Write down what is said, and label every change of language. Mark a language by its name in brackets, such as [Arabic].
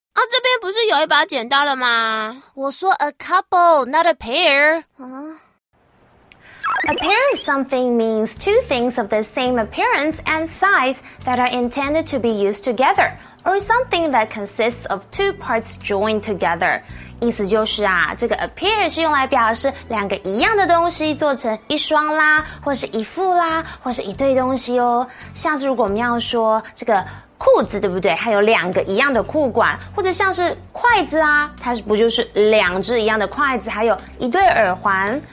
[Chinese] 啊，这边不是有一把剪刀了吗？我说 [English] a couple, not a pair. A pair is something means two things of the same appearance and size that are intended to be used together, or something that consists of two parts joined together. [Chinese] 意思就是啊，这个 a pair 是用来表示两个一样的东西做成一双啦，或是一副啦，或是一对东西哦。像是如果我们要说这个裤子对不对，它有两个一样的裤管，或者像是筷子啊，它是不就是两只一样的筷子，还有一对耳环。